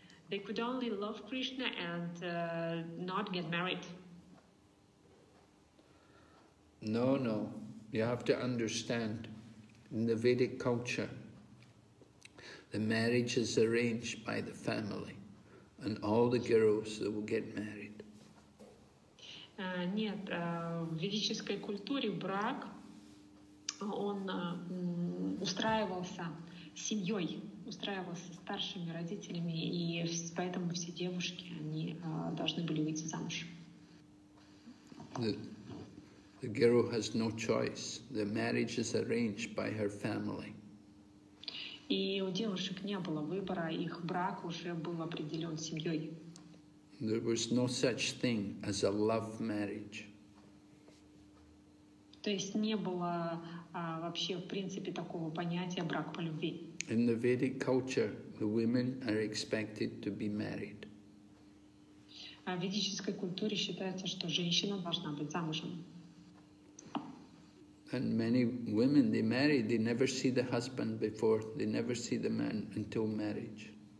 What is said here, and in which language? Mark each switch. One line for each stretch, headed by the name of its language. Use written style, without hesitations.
English: They could only love Krishna and not get married. No. You have to understand, in the Vedic culture, the marriage is arranged by the family, and all the girls that will get married.
Russian: Нет, в ведической культуре брак, он устраивался семьей, устраивался старшими родителями, и поэтому все девушки, они должны были выйти замуж.
English: The girl has no choice. The marriage is arranged by her family.
Russian: И у девушек не было выбора, их брак уже был определен семьей.
English: There was no such thing as a love marriage.
Russian: То есть не было вообще в принципе такого понятия брак по любви.
English: In the Vedic culture, the women are expected to be married.
Russian: В ведической культуре считается, что женщина должна быть замужем.
English: And many women, they marry, they never see the husband before, they never see the man until marriage.